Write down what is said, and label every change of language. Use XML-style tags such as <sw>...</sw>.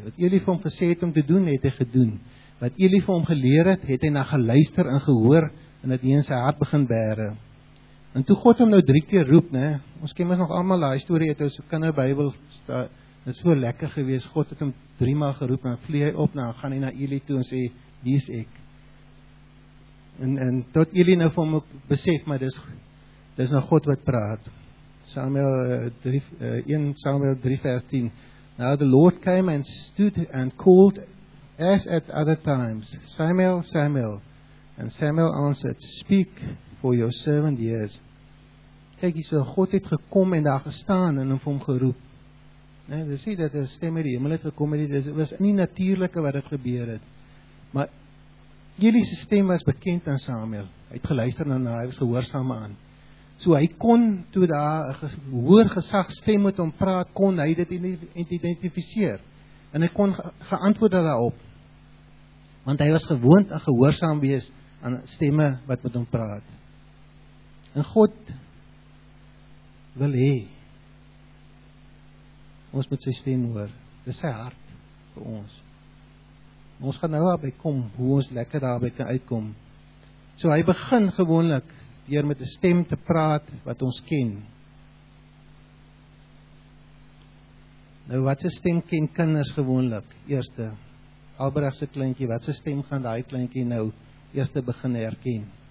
<af>Wat Eli vir hom gesê het om te doen, het hy gedoen. Wat Eli vir hom geleer het, het hy na geluister en gehoor en het hy in sy hart begin bere. En toe God hom nou 3 keer roep, ne? Ons ken ons nog allemaal die story uit ons kinderbybel, dit is so lekker gewees, God het hom 3 maal geroep en vlieg hy op, nou gaan hy na Eli toe en sê, hier is ek. En tot Eli nou vir hom ook besef, maar dis nou God wat praat. Samuel 1 Samuel 3 vers 10.</af> <en>Now the Lord came and stood and called as at other times, Samuel, Samuel. And Samuel answered, speak for your servant hears.</en> <af>Kijk, hy sê, God het gekom en daar gestaan en hom vir hom geroep. Nee, dit sê dat die stem uit die hemel het gekom, dit was nie natuurlike wat het gebeur het. Maar Eli se stem was bekend aan Samuel. Hy het geluister na hy was gehoorsaam aan. So hy kon, toe daar hoor gesag stem met hom praat, kon hy dit identificeer. En hy kon geantwoord daarop. Want hy was gewoond aan gehoorsaam wees aan stemme wat met hom praat. En God wil hê ons moet sy stem hoor. Dis sy hart vir ons. Ons gaan nou daarby kom, hoe ons lekker daarby kan uitkom. So hy begin gewoonlik deur met 'n stem te praat wat ons ken. Nou wat sy stem ken kinders gewoonlik? Eerste, Albrecht se kleintjie, wat sy stem gaan daai kleintjie nou eerste begin herken?</af>